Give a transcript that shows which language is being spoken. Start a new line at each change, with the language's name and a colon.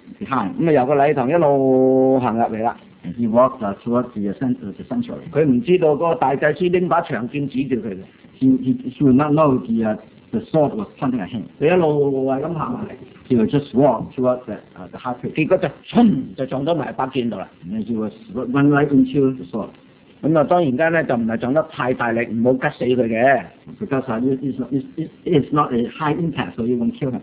Cantonese: 咁啊，由個禮堂一路行入嚟啦。
English: He walked towards the sanctuary.
Cantonese: 佢唔知道嗰個大祭司拎把長劍指住佢嘅。
English: He would not know the sword was pointing at him.
Cantonese: 佢一路係咁行埋。
English: He would just walk towards the high priest.
Cantonese: 結果就衝就撞到埋把劍度啦。
English: And he was run right into the sword.
Cantonese: 咁啊，當然間咧就唔係撞得太大力，唔好刉死佢嘅。
English: Because it's not a high impact, so you won't kill him.